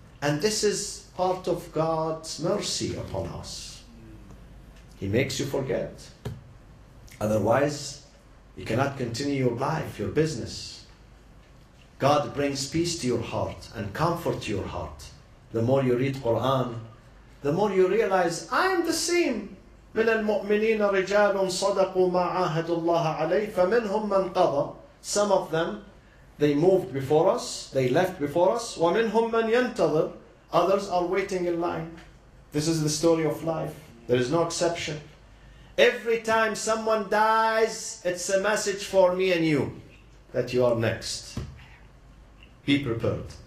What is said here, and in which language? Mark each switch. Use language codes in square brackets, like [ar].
[en] And this is part of God's mercy upon us. He makes you forget. Otherwise, you cannot continue your life, your business. God brings peace to your heart and comfort to your heart. The more you read Quran, the more you realize I'm the same. [ar] من المؤمنين رجال صدقوا ما عاهدوا الله عليه فمنهم من قضى. [en] Some of them, they moved before us, they left before us. [ar] ومنهم من ينتظر. [en] Others are waiting in line. This is the story of life. There is no exception. Every time someone dies, it's a message for me and you that you are next. Be prepared.